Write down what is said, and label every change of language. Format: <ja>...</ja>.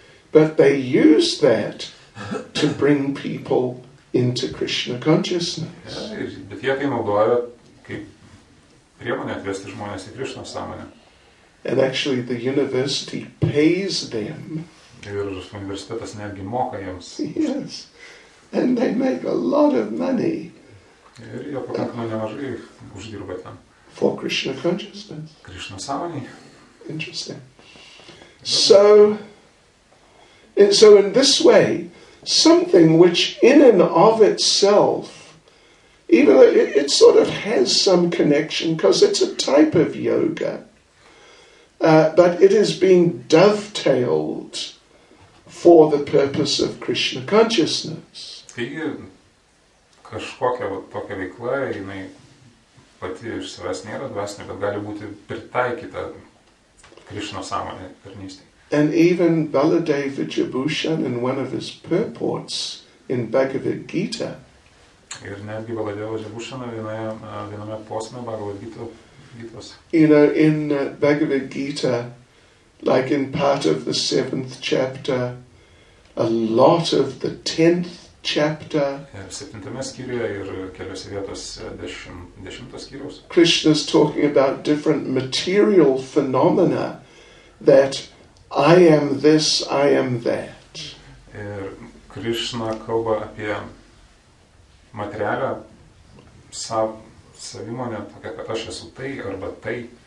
<en>But they use that to bring people into Krishna consciousness.</en> <lt>Bet jie tai naudoja kaip priemonė atvesti žmonės į Krishna sąmonę.</lt> <en>And actually the university pays them.</en> <lt>Ir universitetas netgi moka jiems.</lt> <en>Yes. And they make a lot of money.</en> <lt>Ir jie pakankamai nemažai uždirba ten.</lt> <en>For Krishna consciousness.</en> <lt>Krishna sąmonė.</lt> <en>Interesting. So in this way, something which in and of itself, even though it sort of has some connection, because it's a type of yoga, but it is being dovetailed for the purpose of Krishna consciousness.</en> <lt>Taigi, kažkokia tokia veikla, jinai pati iš savęs nėra dvasinė, bet gali būti pritaikyta Krishna sąmonė tarnystė.</lt> <en>And even Baladeva Vijayabhushan in one of his purports in Bhagavad Gita.</en> <lt>Ir netgi Baladeva Vijayabhushan viename posme Bhagavad Gitos.</lt> <en>You know, in Bhagavad Gita, like in part of the 7th chapter, a lot of the 10th chapter.</en> <lt>Ir 7 skyriuje ir keliose vietose 10 skyriaus.</lt> <en>Krishna's talking about different material phenomena that I am this, I am that.</en> <lt>Ir Krishna kalba apie materialią savimonę, tokia, kad aš esu tai arba tai.</lt>